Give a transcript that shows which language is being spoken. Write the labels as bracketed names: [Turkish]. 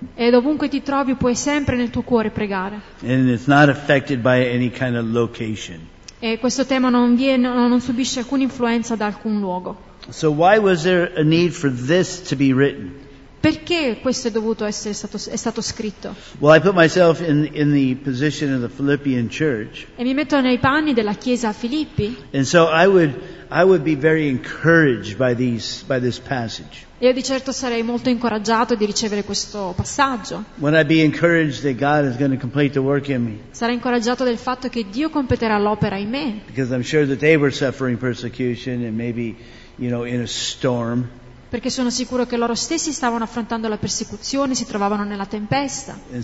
[Italian] dovunque ti trovi puoi sempre nel tuo cuore pregare. E questo tema non subisce alcuna influenza da alcun luogo. [English] So why was there a need for this to be written? [Italian] Perché questo è dovuto essere stato, è stato scritto? [English] Well, I put myself in the position of the Philippian church. [Italian] E mi metto nei panni della chiesa a Filippi. [English] And so I would be very encouraged by this passage. [Italian] Io di certo sarei molto incoraggiato di ricevere questo passaggio. [English] When I'd be encouraged that God is going to complete the work in me. [Italian] Sarei incoraggiato del fatto che Dio completerà l'opera in me. [English] Because I'm sure that they were suffering persecution and maybe, you know, in a storm. [Italian] Perché sono sicuro che loro stessi stavano affrontando la persecuzione, si trovavano nella tempesta.